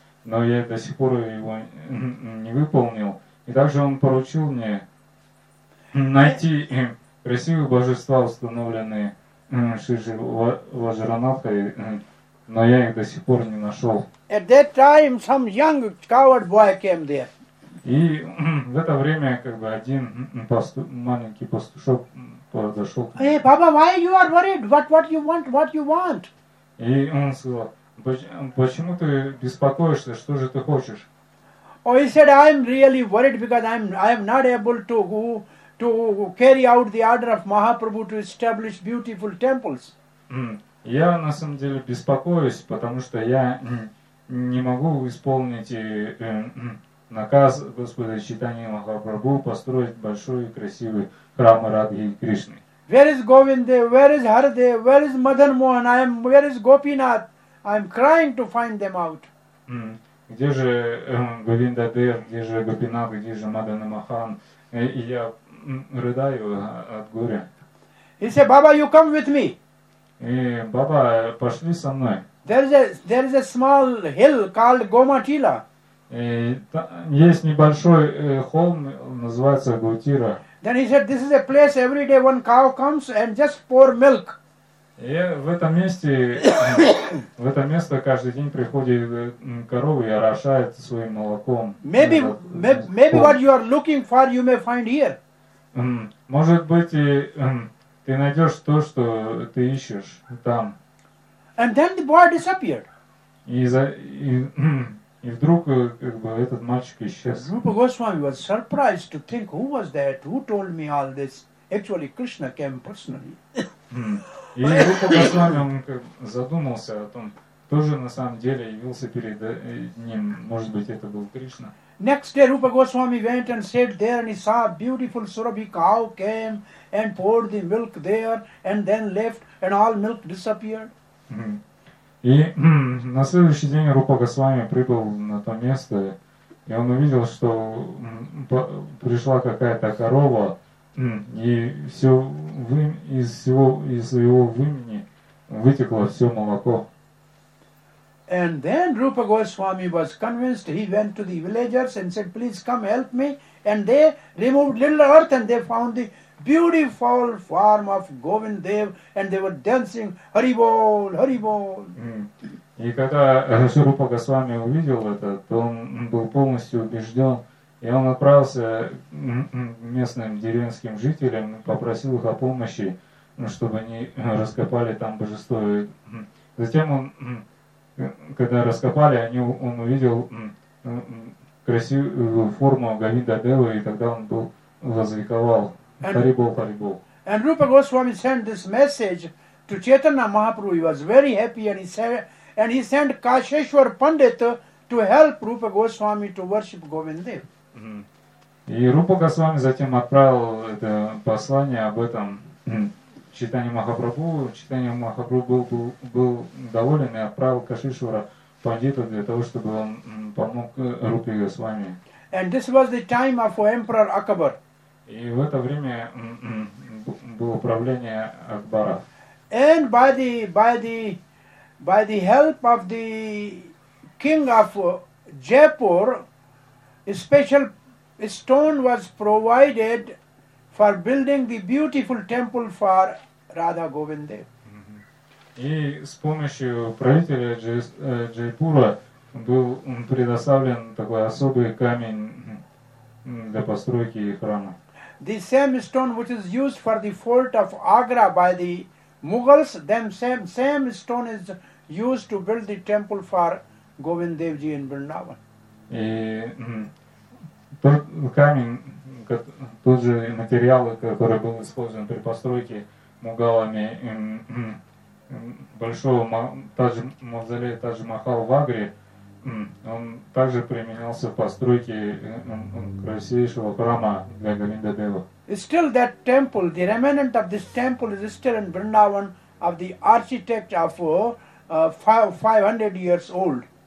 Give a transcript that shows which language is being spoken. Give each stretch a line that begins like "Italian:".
Russian: Но я до сих пор его не выполнил. И также он поручил мне найти красивые божества, установленные Шри Ваджранадхой, но я их до сих пор не нашел.
English: At that time some young coward boy came there.
Russian: И в это время как бы один маленький пастушок подошел к нему.
English: Hey, Baba, why you are worried? What you want?
Russian: И он сказал, почему ты беспокоишься? Что же ты хочешь?
English: Oh, he said, I'm really worried because I'm not able to carry out the order of Mahaprabhu to establish beautiful temples.
Russian: Я на самом деле беспокоюсь, потому что я не могу исполнить наказ Господа Чайтанья Махапрабху построить большой и красивый храм Радхи и Кришны.
English: Where is Govinda? Where is Harde? Where is Madan Mohan? Where is Gopinath? I'm crying to find them out.
Russian: Где же Говинда Дев, где же Гопинат, где же Мадан Махан? И я рыдаю от горя.
English: He said, Baba, you come with me.
Russian: И Баба, пошли со мной.
English: There is a small hill called Gomatila.
Russian: Есть небольшой холм, называется Гутира.
English: Then he said, this is a place every day one cow comes and just pour milk.
Russian: И в этом месте, в это место каждый день приходит корова и орошает своим молоком.
English: Maybe what you are looking for you may find here.
Russian: Может быть, ты найдешь то, что ты ищешь там.
English: And then the boy disappeared.
Russian: И вдруг как бы этот мальчик исчез.
English: Rupa Goswami was surprised to think who was that, who told me all this. Actually, Krishna came personally.
Russian: И Рупа Госвами задумался о том, кто же на самом деле явился перед ним, может быть, это был Кришна.
English: Next day Rupa Goswami went and sat there and he saw a beautiful Surabhi cow came and poured the milk there and then left and all milk disappeared.
Russian: И на следующий день Рупа Госвами прибыл на то место, и он увидел, что пришла какая-то корова, и все из его вымени вытекло все молоко.
English: And then Rupa Goswami was convinced. He went to the villagers and said, "Please come help me." And they removed little earth and they found the beautiful form of Govind Dev, and they were dancing Hari Bol, Hari Bol.
Russian: И когда Рупа Госвами увидел это, то он был полностью убежден, и он отправился местным деревенским жителям и попросил их о помощи, чтобы они раскопали там божество. Затем он, когда раскопали, он увидел красивую форму Говинда Девы, и тогда он был возликовал.
English: And Rupa Goswami sent this message to Chaitanya Mahaprabhu. He was very happy, and he sent Kasheshwar Pandit to help Rupa Goswami to worship Govindadev.
Russian: И Рупа Госвами затем отправил это послание об этом Чайтанья Махапрабху. Чайтанья Махапрабху был доволен и отправил Кашишвара Пандита для того, чтобы он помог Рупе Госвами.
English: And this was the time of Emperor Akbar.
Russian: И в это время было правление Акбара.
English: And by the help of the king of Jaipur, a special stone was provided for building the beautiful temple for Radha Govinda.
Russian: И с помощью правителя Джайпура был предоставлен такой особый камень для постройки храма.
English: The same stone which is used for the fort of Agra by the Mughals, them same stone is used to build the temple for Govind Dev Ji in Vrindavan.
Russian: И тот камень, тот же материал, который был использован при постройке Мугалами большого мавзолея Тадж Махал в Агре, он также применялся в постройке красивейшего храма для Говинда Дева.
English: Still that temple, the remnant of this temple is still in Vrindavan of the architect of 500 years old.